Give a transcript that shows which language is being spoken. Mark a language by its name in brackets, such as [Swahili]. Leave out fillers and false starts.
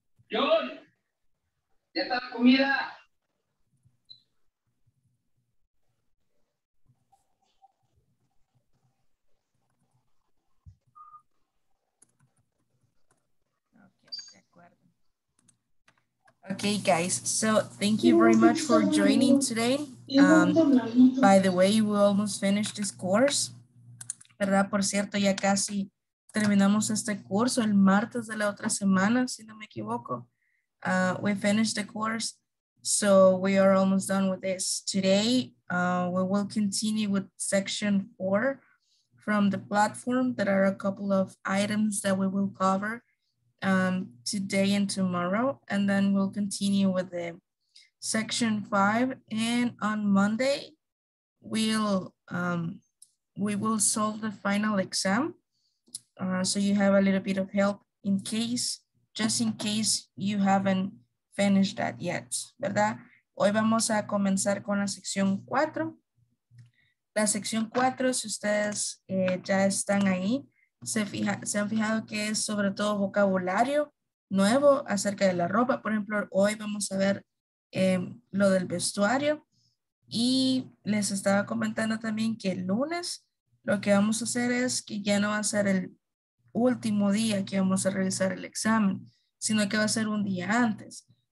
[Spanish] John, ya está la comida. Ok, de acuerdo. [English] Okay, guys, so thank you very much for joining today. By the way, we almost finished this course. [Spanish] ¿Verdad? Por cierto, ya casi terminamos este curso el martes de la otra semana, si no me equivoco. [English] We finished the course, so we are almost done with this. Today, we will continue with section 4 from the platform. There are a couple of items that we will cover today and tomorrow, and then we'll continue with the section 5. And on Monday, we will solve the final exam. So you have a little bit of help in case, just in case you haven't finished that yet, [Spanish] ¿verdad? Hoy vamos a comenzar con la sección 4. La sección 4, si ustedes ya están ahí, se han fijado que es sobre todo vocabulario nuevo acerca de la ropa. Por ejemplo, hoy vamos a ver lo del vestuario. Y les estaba comentando también que el lunes lo que vamos a hacer es que ya no va a ser el último día que vamos a revisar el examen, sino que va a ser un día antes.